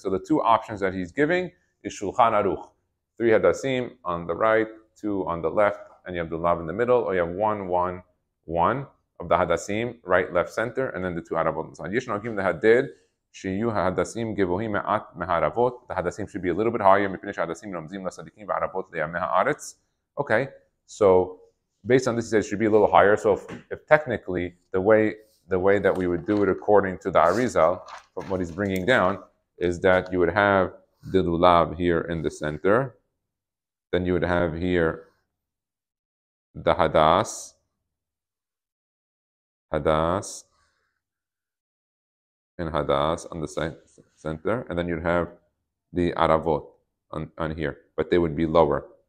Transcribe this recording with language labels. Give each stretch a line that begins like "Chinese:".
English: So the two options that he's giving is Shulchan Aruch. Three hadasim on the right, two on the left, and you have the lulav in the middle, or you have one, one, one of the hadasim, right, left, center, and then the two aravot on the side.
Hebrew: שיהיו ההדסים גבוהים מעט מהערבות, ההדסים
English: should be a little bit higher,
Hebrew: מפני שההדסים רומזים לסדיקים וערבות לימי הארץ.
English: Okay, so based on this, he said it should be a little higher. So if technically, the way that we would do it according to the Arizal, from what he's bringing down, is that you would have the lulav here in the center, then you would have here the hadas, and hadas on the center, and then you'd have the aravot on here, but they would be lower.